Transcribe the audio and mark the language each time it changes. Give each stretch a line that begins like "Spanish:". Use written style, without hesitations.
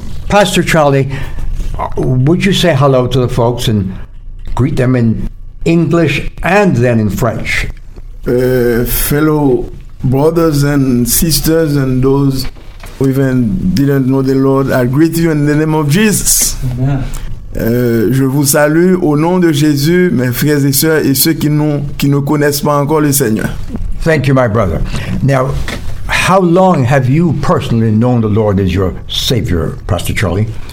English: Pastor Charlie, would you say hello to the folks and greet them in English and then in French? Fellow brothers and sisters and those who even didn't know the Lord, I greet you in the name of Jesus.
French: Je vous salue au nom de Jésus, mes frères et sœurs et ceux qui ne connaissent pas encore le Seigneur.
English: Thank you, my brother. Now, how long have you personally known the Lord as your Savior, Pastor Charlie?